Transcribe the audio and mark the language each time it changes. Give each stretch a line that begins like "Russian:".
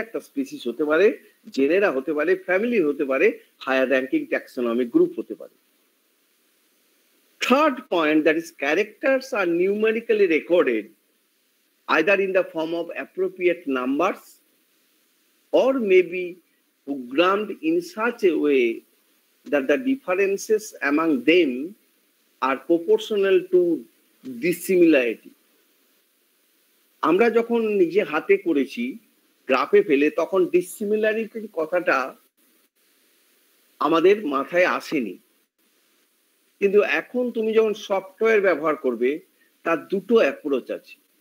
Bangla: একটা স্পিসিস হতে পারে, জেনেরা হতে পারে, ফ্যামিলি হতে পারে, হায়ার র্যাঙ্কিং ট্যাক্সোনমিক গ্রুপ হতে পারে।
English: Third point that is characters are numerically recorded either in the form of appropriate numbers or maybe programmed in such a way that the differences among them are proportional to dissimilarity.
Bangla: আমরা যখন নিজে হাতে করেছি গ্রাফে ফেলে তখন ডিসিমিলারিটির কথাটা আমাদের মাথায় আসেনি, কিন্তু এখন তুমি যখন সফটওয়্যার ব্যবহার করবে তার দুটো অ্যাপ্রোচ আছে।